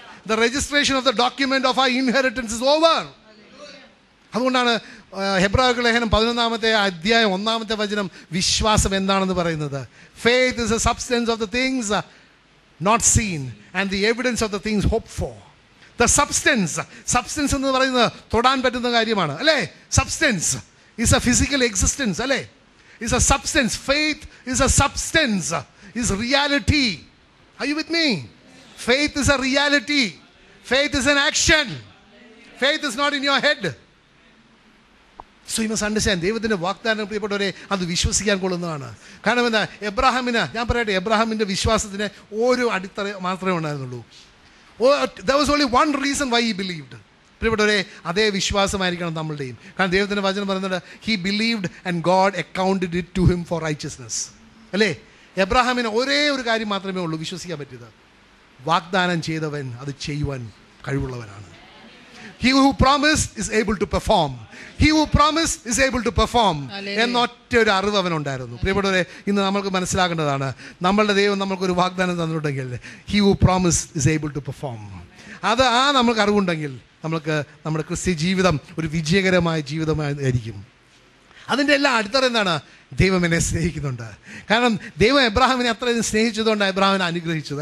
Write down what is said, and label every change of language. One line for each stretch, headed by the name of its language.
English: The registration of the document of our inheritance is over.
Malayalam: അതുകൊണ്ടാണ് ഹെബ്രായർക്ക് ലേഖനം 11-ാം അധ്യായം 1-ാമത്തെ വചനം വിശ്വാസം എന്താണെന്ന് പറയുന്നത്.
English: Faith is the substance of the things not seen and the evidence of the things hoped for. The substance, substance
Malayalam: എന്ന് പറയുന്നത് തൊടാൻ പറ്റുന്ന കാര്യമാണ്, അല്ലേ?
English: Substance is a physical existence, അല്ലേ? Is a substance. Faith is a substance, is reality. Are you with me? Faith is a reality. Faith is an action. Faith is not in your head. So you must understand,
Malayalam: ദൈവത്തിന്റെ വാഗ്ദാനം പ്രിയപ്പെട്ടവരെ അത് വിശ്വസിക്കാൻ കൊള്ളുന്നതാണ്. കാരണം എന്താ, എബ്രാഹാമിന് ഞാൻ പറയട്ടെ, എബ്രാഹാമിന്റെ വിശ്വാസത്തിന് ഒരു അടിത്തറ മാത്രമേ ഉണ്ടായിരുന്നുള്ളൂ.
English: There was only one reason why he believed.
Malayalam: പ്രിയപ്പെട്ടവരെ, അതേ വിശ്വാസമായിരിക്കണം നമ്മളുടെയും. കാരണം ദൈവത്തിന്റെ വചനം പറയുന്നുണ്ട്,
English: He believed and God accounted it to him for righteousness.
Malayalam: അല്ലേ, എബ്രാഹാമിന് ഒരേ ഒരു കാര്യം മാത്രമേ ഉള്ളൂ വിശ്വസിക്കാൻ പറ്റിയത്, വാഗ്ദാനം ചെയ്തവൻ അത് ചെയ്യുവാൻ കഴിവുള്ളവനാണ്.
English: He who promised is able to perform. He who promised is able to perform.
Malayalam: എന്നൊറ്റ ഒരു അറിവ് അവനുണ്ടായിരുന്നു. പ്രിയപ്പെട്ടവരെ, ഇന്ന് നമ്മൾക്ക് മനസ്സിലാക്കേണ്ടതാണ്, നമ്മളുടെ ദൈവം നമ്മൾക്കൊരു വാഗ്ദാനം തന്നിട്ടുണ്ടെങ്കിൽ,
English: he who promise is able to perform,
Malayalam: അത് ആ നമ്മൾക്ക് അറിവുണ്ടെങ്കിൽ നമ്മൾക്ക് നമ്മുടെ ക്രിസ്ത്യ ജീവിതം ഒരു വിജയകരമായ ജീവിതമായിരിക്കും. അതിൻ്റെ എല്ലാം അടിത്തറ എന്താണ്? ദൈവം എന്നെ സ്നേഹിക്കുന്നുണ്ട്. കാരണം ദൈവം എബ്രാഹാമിനെ അത്രയധികം സ്നേഹിച്ചതുകൊണ്ട് എബ്രാഹാമിനെ അനുഗ്രഹിച്ചത്.